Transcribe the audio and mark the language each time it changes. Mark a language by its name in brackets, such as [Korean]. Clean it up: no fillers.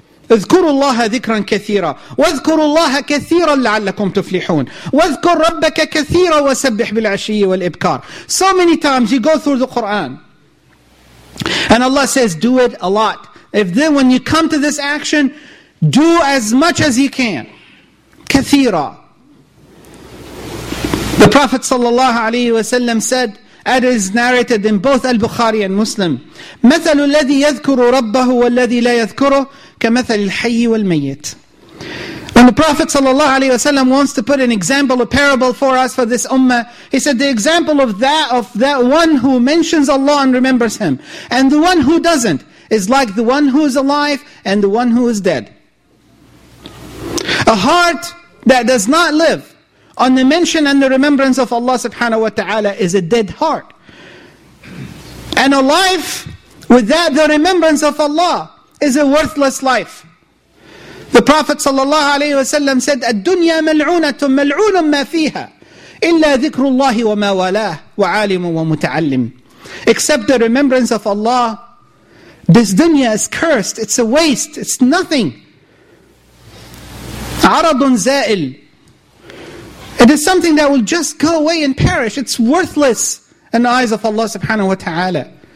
[Arabic] اذكروا الله ذكرا كثيرا واذكروا الله كثيرا لعلكم تفلحون واذكر ربك كثيرا وسبح بالعشي والإبكار. [English] So many times you go through the Quran. And Allah says, do it a lot. If then when you come to this action, do as much as you can. [Arabic] كثيرا. [English] The Prophet صلى الله عليه وسلم said, it is narrated in both Al-Bukhari and Muslim, [Arabic] مثل الذي يذكر ربه والذي لا يذكره كمثل الحي والميت. [English] When the Prophet صلى الله عليه وسلم wants to put an example, a parable for us, for this ummah, he said, the example of that one who mentions Allah and remembers Him, and the one who doesn't, is like the one who is alive and the one who is dead. A heart that does not live on the mention and the remembrance of Allah subhanahu wa ta'ala is a dead heart. And a life without the remembrance of Allah is a worthless life. The Prophet sallallahu alayhi wa sallam said, [Arabic] الدُّنْيَا مَلْعُونَةٌ مَلْعُونٌ مَا فِيهَا إِلَّا ذِكْرُ اللَّهِ وَمَا وَلَاهُ وَعَالِمٌ وَمُتَعَلِّمٌ. [English] Except the remembrance of Allah, this dunya is cursed, it's a waste, it's nothing. [Arabic] عَرَضٌ زَائِلٌ. [English] It is something that will just go away and perish. It's worthless in the eyes of Allah subhanahu wa ta'ala.